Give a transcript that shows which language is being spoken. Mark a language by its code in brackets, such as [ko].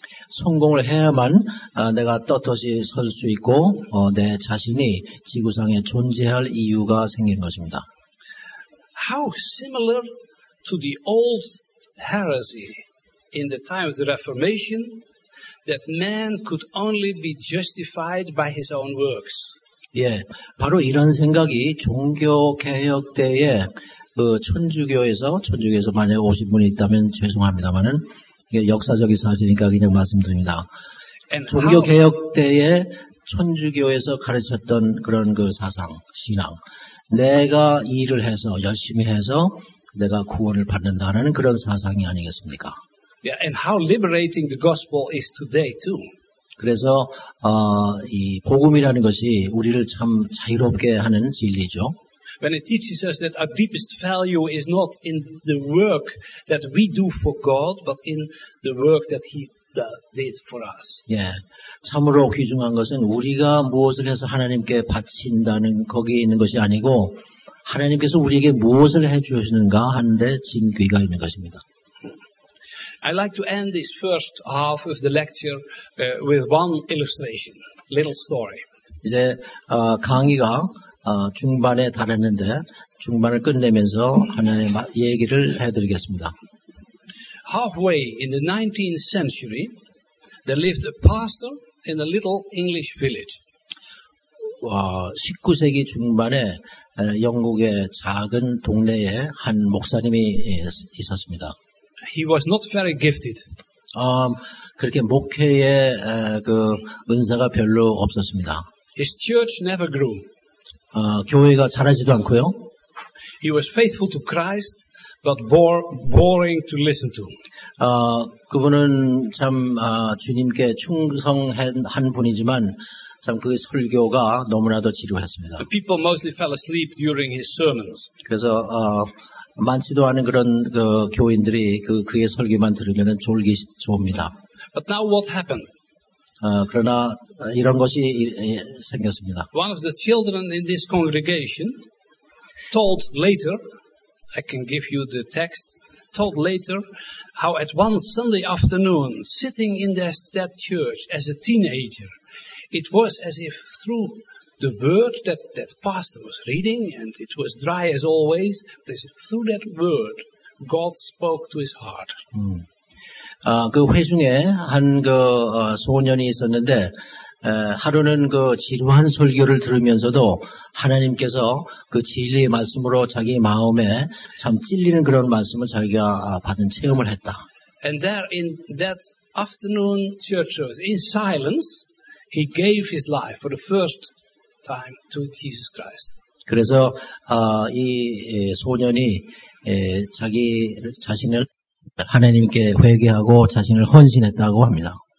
[ko] 성공을 해야만 내가 떳떳이 설 수 있고 내 자신이 지구상에 존재할 이유가 생긴 것입니다. [en] How similar to the old heresy in the time of the Reformation that man could only be justified by his own works. [ko] 예, 바로 이런 생각이 종교 개혁 때에 그 천주교에서 만약에 오신 분이 있다면 죄송합니다만은 이게 역사적인 사실이니까 그냥 말씀드립니다. 종교 개혁 때에 천주교에서 가르쳤던 그런 그 사상, 신앙. 내가 일을 해서 열심히 해서 내가 구원을 받는다는 그런 사상이 아니겠습니까? [en] Yeah, and how liberating the gospel is today too. [ko] 그래서 이 복음이라는 것이 우리를 참 자유롭게 하는 진리죠. [en] When it teaches us that our deepest value is not in the work that we do for God, but in the work that He did for us. [ko] 예, 참으로 귀중한 것은 우리가 무엇을 해서 하나님께 바친다는 거기에 있는 것이 아니고 하나님께서 우리에게 무엇을 해주시는가 하는 데 진귀가 있는 것입니다. [en] I'd like to end this first half of the lecture with one illustration, little story. [ko] 이제 강의가 중반에 달했는데 중반을 끝내면서 하나의 얘기를 해드리겠습니다. [en] Halfway in the 19th century, there lived a pastor in a little English village. [ko] 19세기 중반에 영국의 작은 동네에 한 목사님이 있었습니다. [en] He was not very gifted. [ko] 그렇게 목회에 그 은사가 별로 없었습니다. [en] His church never grew. [ko] 교회가 자라지도 않고요. [en] He was faithful to Christ, but boring to listen to. [ko] 그분은 참 주님께 충성한 분이지만 참 그 설교가 너무나도 지루했습니다. [en] The people mostly fell asleep during his sermons. [ko] 그래서 많지도 않은 그런 그 교인들이 그의 설교만 들으면 졸기 좋습니다. [en] But now what happened? [ko] 그러나 이런 것이 생겼습니다. [en] One of the children in this congregation told later, I can give you the text, told later how at one Sunday afternoon, sitting in that church as a teenager, it was as if through the word that pastor was reading, and it was dry as always, through that word, God spoke to his heart. [ko] 그 회중에 한 그 소년이 있었는데 하루는 그 지루한 설교를 들으면서도 하나님께서 그 진리의 말씀으로 자기 마음에 참 찔리는 그런 말씀을 자기가 받은 체험을 했다. [en] And there in that afternoon church service, in silence, he gave his life for the first time to Jesus Christ. [ko] 그래서 이 소년이 자기 자신을 하나님께 회개하고 자신을 헌신했다고 합니다.